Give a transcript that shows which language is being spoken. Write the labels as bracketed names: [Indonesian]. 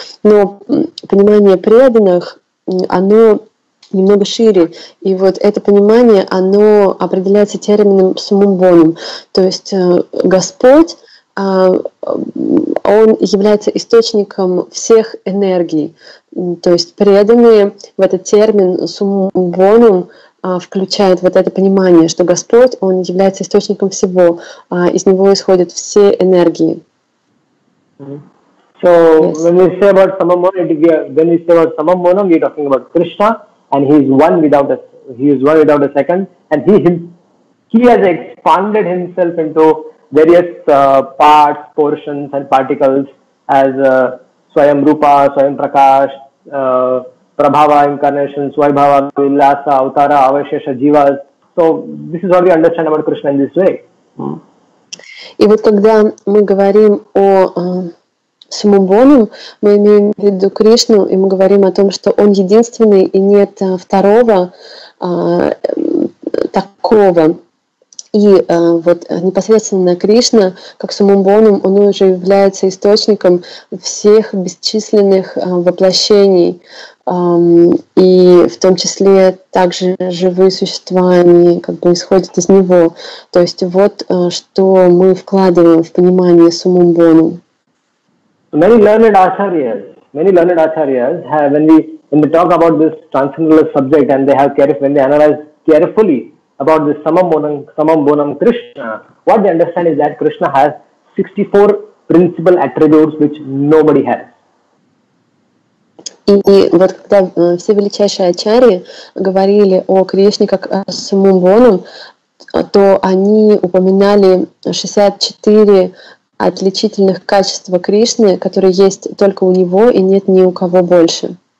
[Russian] Но понимание преданных, оно немного шире, и вот это понимание, оно определяется термином Summum Bonum, то есть Господь, он является источником всех энергий, то есть преданные в этот термин Summum Bonum включают вот это понимание, что Господь, он является источником всего, из него исходят все энергии. [English] So when we say about Summum Bonum, we're talking about Krishna. And he is one without a second. And he has expanded himself into various parts, portions, and particles as Swayam Rupa, Swayam Prakash, Prabhava incarnation, Swaybhava, Vilasa, Avatara, Avashesha, Jivas. So this is what we understand about Krishna in this way. [Russian] И вот когда мы говорим о Summum Bonum, мы имеем в виду Кришну, и мы говорим о том, что он единственный, и нет второго такого. И вот непосредственно Кришна, как Summum Bonum, он уже является источником всех бесчисленных воплощений. И в том числе также живые существа, они как бы исходят из него. То есть вот что мы вкладываем в понимание Summum Bonum. [English] Many learned acharyas have, when they talk about this transcendental subject, and they have careful, when they analyze carefully about this Summum Bonum Krishna, what they understand is that Krishna has 64 principal attributes which nobody has. [Russian] И вот когда все величайшие ачарьи говорили о Кришне как о Summum Bonum, то они упоминали 64 отличительных качества Кришны, которые есть только у него и нет ни у кого больше.